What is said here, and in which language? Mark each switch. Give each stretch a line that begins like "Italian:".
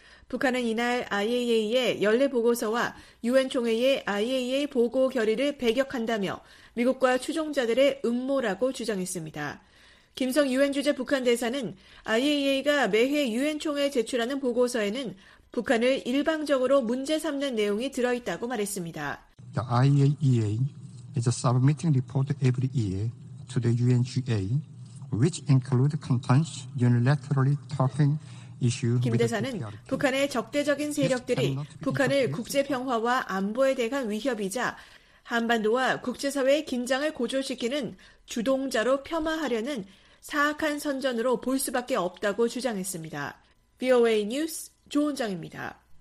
Korean: 북한은 이날 IAEA의 연례 보고서와 유엔 총회의 IAEA 보고 결의를 배격한다며 미국과 추종자들의 음모라고 주장했습니다. 김성 유엔 주재 북한 대사는 IAEA가 매해 유엔 총회에 제출하는 보고서에는 북한을 일방적으로 문제 삼는 내용이 들어 있다고 말했습니다.
English: The IAEA is submitting report every year to the UNGA which include contents unilaterally talking
Korean: 김 대사는 북한의 적대적인 세력들이 북한을 국제평화와 안보에 대한 위협이자 한반도와 국제사회의 긴장을 고조시키는 주동자로 폄하하려는 사악한 선전으로 볼 수밖에 없다고 주장했습니다. VOA 뉴스 조은정입니다.